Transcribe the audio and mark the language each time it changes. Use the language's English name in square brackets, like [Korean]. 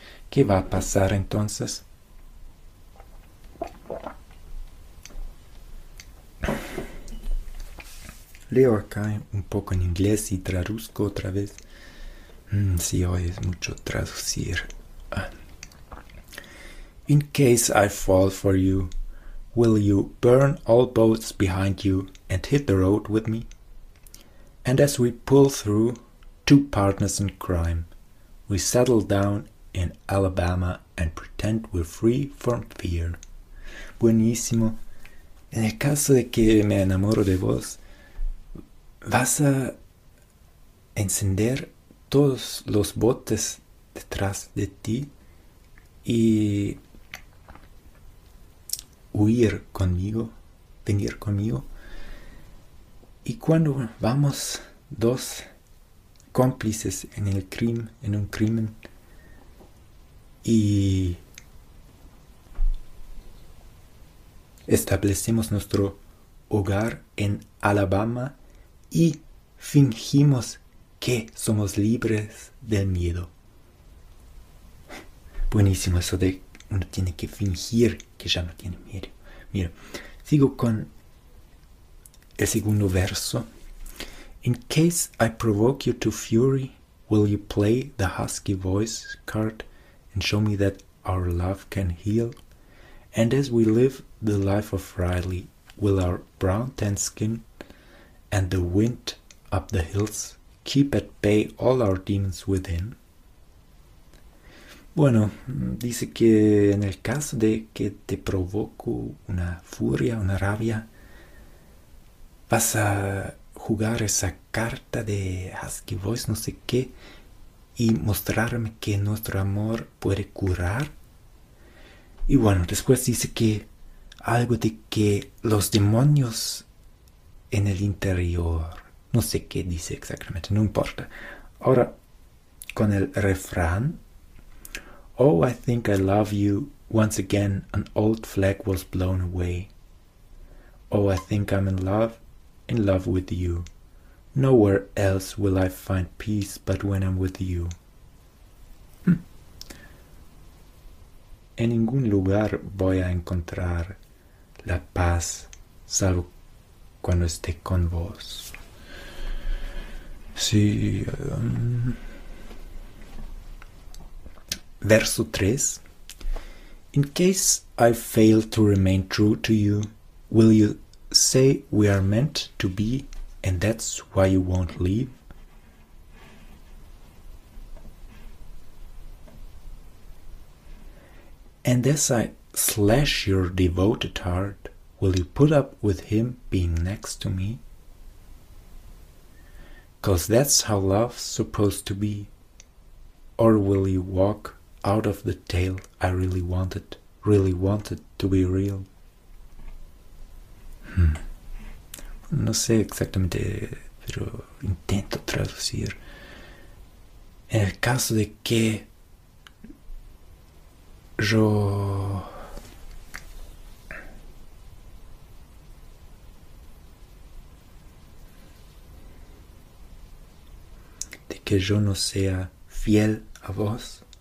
[Spanish] ¿Qué va a pasar entonces? Leo acá un poco en inglés y traduzco otra vez. Sí, hoy es mucho traducir. [English] In case I fall for you, will you burn all boats behind you and hit the road with me? And as we pull through, two partners in crime, we settle down in Alabama and pretend we're free from fear. [Spanish] Buenísimo. En el caso de que me enamoro de vos, vas a encender todos los botes detrás de ti y huir conmigo, venir conmigo. Y cuando vamos dos cómplices en el crimen, en un crimen. Y establecemos nuestro hogar en Alabama y fingimos que somos libres del miedo. Buenísimo eso de uno tiene que fingir que ya no tiene miedo. Mira, sigo con el segundo verso. [English] In case I provoke you to fury, will you play the husky voice card and show me that our love can heal? And as we live the life of Riley, will our brown tan skin and the wind up the hills keep at bay all our demons within? [Spanish] Bueno, dice que en el caso de que te provoco una furia, una rabia, vas a jugar esa carta de Husky Voice, no sé qué, y mostrarme que nuestro amor puede curar. Y bueno, después dice que algo de que los demonios en el interior, no sé qué dice exactamente, no importa. Ahora, con el refrán. [English] Oh, I think I love you. Once again, an old flag was blown away. Oh, I think I'm in love with you. Nowhere else will I find peace but when I'm with you. [Spanish] En ningún lugar voy a encontrar la paz, salvo cuando esté con vos. Sí. Verso 3. [English] In case I fail to remain true to you, will you say we are meant to be and that's why you won't leave? And as I slash your devoted heart, will you put up with him being next to me? 'Cause that's how love's supposed to be. Or will you walk out of the tale I really wanted to be real? [Spanish] No sé exactamente, pero intento traducir. En el caso de que yo de que yo no sea fiel a vos,